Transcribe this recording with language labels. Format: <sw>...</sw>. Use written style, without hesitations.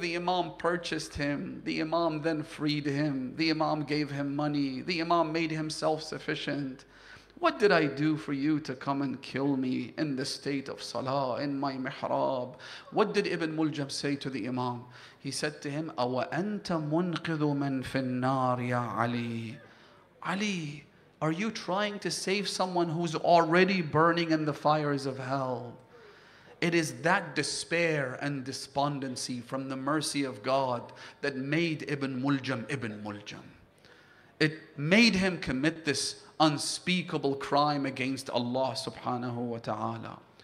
<en>The Imam purchased him. The Imam then freed him. The Imam gave him money. The Imam made him self-sufficient. What did I do for you to come and kill me in the state of salah, in my mihrab? What did Ibn Muljam say to the Imam? He said to him,</en> <ar>أَوَ أَنْتَ مُنْقِذُ مَنْ فِي النَّارِ يَا Ali.</ar> <en>Ali, are you trying to save someone who's already burning in the fires of hell? It is that despair and despondency from the mercy of God that made Ibn Muljam Ibn Muljam. It made him commit this unspeakable crime against Allah subhanahu wa ta'ala.</en>